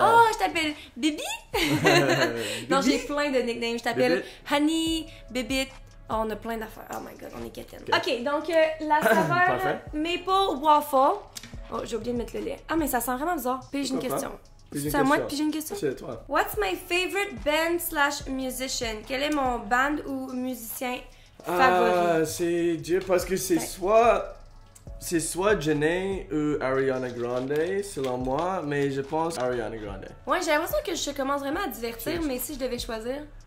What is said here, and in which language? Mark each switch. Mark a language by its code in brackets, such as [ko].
[fr] Oh, je t'appelle Bibi? Non, j'ai plein de nicknames. Je t'appelle Bibit. Honey, Bibit. Oh, on a plein d'affaires. [en] Oh my god, [fr] on est quétaine. OK, donc la saveur maple waffle. Oh, j'ai oublié de mettre le lait. Ah, mais ça sent vraiment bizarre. Puis j'ai une question. C'est à moi de piger une question? C'est toi. [en] What's my favorite band slash musician? [fr] Quel est mon band ou musicien favori? C'est dur parce que c'est soit... C'est soit Jhené ou Ariana Grande, selon moi, mais je pense Ariana Grande. Ouais, j'ai l'impression que je commence vraiment à divertir, mais si je devais choisir...